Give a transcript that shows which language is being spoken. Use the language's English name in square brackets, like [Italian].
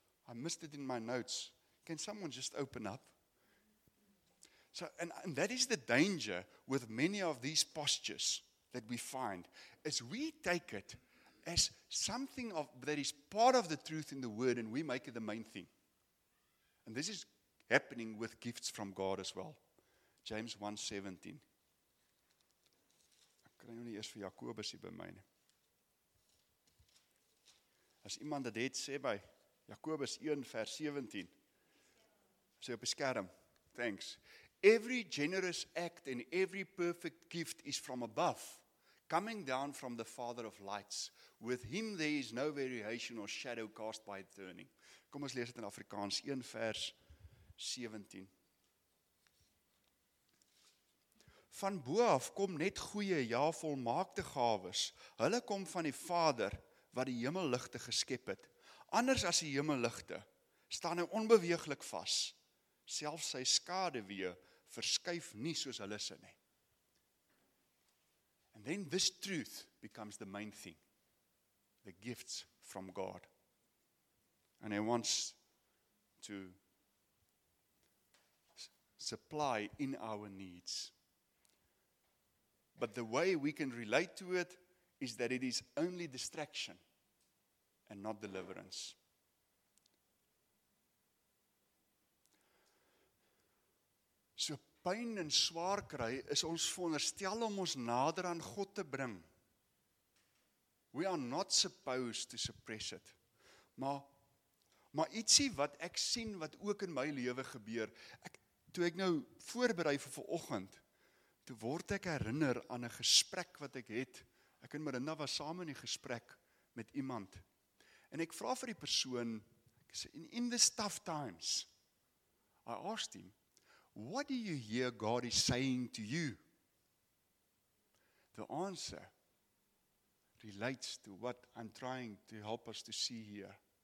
[English] I missed it in my notes. Can someone just open up? So, and that is the danger with many of these postures that we find. As we take it as something of that is part of the truth in the Word, and we make it the main thing. And this is happening with gifts from God as well. James 1, 17. [Afrikaans] Ek kan nie eers vir Jakobus hier by my nie. As iemand dit het, sê by Jakobus 1, vers 17. Sê op die skerm. [English] Thanks. Every generous act and every perfect gift is from above, coming down from the Father of lights. With Him there is no variation or shadow cast by turning. [Afrikaans] Kom ons lees dit in Afrikaans 1 vers 17. Van bo af kom net goeie, ja volmaakte gawes. Hulle kom van die Vader wat die hemelligte geskep het. Anders as die hemelligte staan hy onbeweeglik vas. Selfs sy skaduwee verskuif nie soos hulle sin nie. [English] And then this truth becomes the main thing. The gifts from God. And He wants to supply in our needs. But the way we can relate to it is that it is only distraction and not deliverance. [Afrikaans] So pyn en swaar kry is ons veronderstel om ons nader aan God te bring. [English] We are not supposed to suppress it. [Afrikaans] Maar ietsie wat ek sien wat ook in my lewe gebeur, toe ek nou voorberei vir vanoggend, toe word ek herinner aan 'n gesprek wat ek het. Ek en Marina was saam in die gesprek met iemand. En ek vra vir die persoon, ek sê, [English] in these tough times, I asked him, what do you hear God is saying to you? The answer relates to what I'm trying to help us to see here.